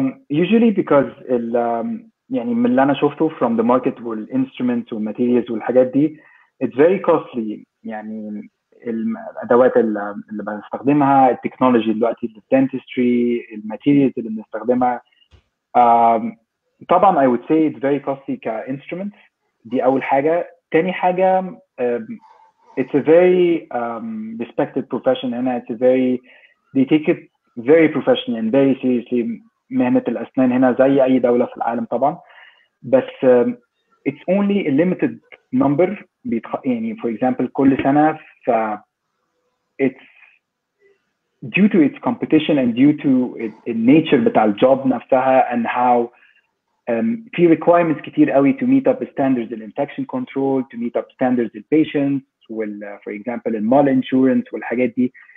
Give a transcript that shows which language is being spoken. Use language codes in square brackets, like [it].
[ar] Usually because يعني من اللي أنا شفته from the market والinstruments والmaterials والحاجات دي, [en] it's very costly. [ar] يعني الأدوات اللي بنستخدمها، التكنولوجي دلوقتي في الدنتستري، الماتيريالز اللي بنستخدمها. [en] طبعا I would say it's very costly كinstruments. [ar] دي أول حاجة. تاني حاجة it's a very respected profession هنا. [en] It's a very, they take it very professionally and very seriously. [ar] مهنة الأسنان هنا زي أي دولة في العالم طبعا. [en] بس it's only a limited number. يعني for example كل سنة it's due to its competition and due to the nature بتاع الجوب نفسها and how في requirements كتير قوي to meet up standards in infection control, to meet up standards in patients, well, for example in mall insurance والحاجات دي.